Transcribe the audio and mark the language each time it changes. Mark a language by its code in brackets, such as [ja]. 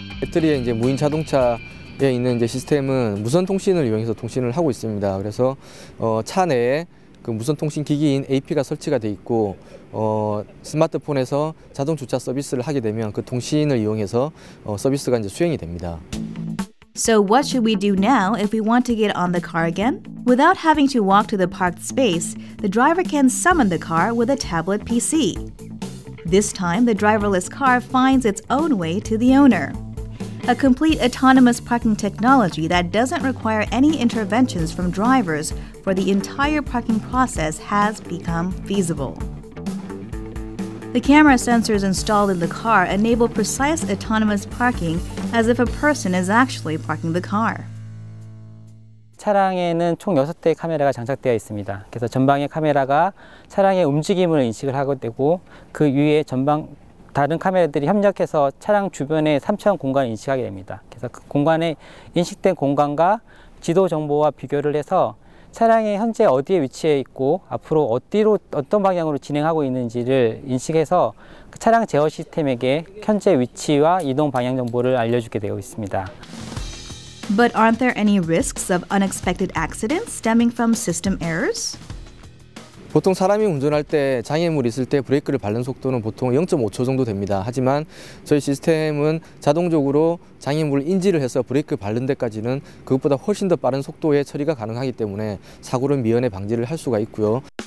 [ko] The 이제 무인 자동차에 있는 이제 시스템은 무선 통신을 이용해서 통신을 하고 있습니다. 그래서 차 내에 그 무선 통신 기기인 AP가 설치가 돼 있고 스마트폰에서 자동 주차 서비스를 하게 되면 그 통신을 이용해서 서비스가 이제 수행이 됩니다. [en] So what should we do now if we want to get on the car again? Without having to walk to the parked space, the driver can summon the car with a tablet PC. This time, the driverless car finds its own way to the owner. A complete autonomous parking technology that doesn't require any interventions from drivers for the entire parking process has become feasible. The camera sensors installed in the car enable precise autonomous parking as if a person is actually parking the car. [ko] 차량에는 총 6대의 카메라가 장착되어 있습니다. 그래서 전방의 카메라가 차량의 움직임을 인식을 하고 되고 그 위에 전방 다른 카메라들이 협력해서 차량 주변의 3차원 공간을 인식하게 됩니다. 그래서 그 공간에 인식된 공간과 지도 정보와 비교를 해서 차량이 현재 어디에 위치해 있고 앞으로 어디로 어떤 방향으로 진행하고 있는지를 인식해서 그 차량 제어 시스템에게 현재 위치와 이동 방향 정보를 알려주게 되어 있습니다. [en] But aren't there any risks of unexpected accidents stemming from system errors? [ko] 보통 사람이 운전할 때 장애물이 있을 때 브레이크를 밟는 속도는 보통 0.5초 정도 됩니다. 하지만 저희 시스템은 자동적으로 장애물을 인지를 해서 브레이크 밟는 데까지는 그것보다 훨씬 더 빠른 속도의 처리가 가능하기 때문에 사고를 미연에 방지를 할 수가 있고요.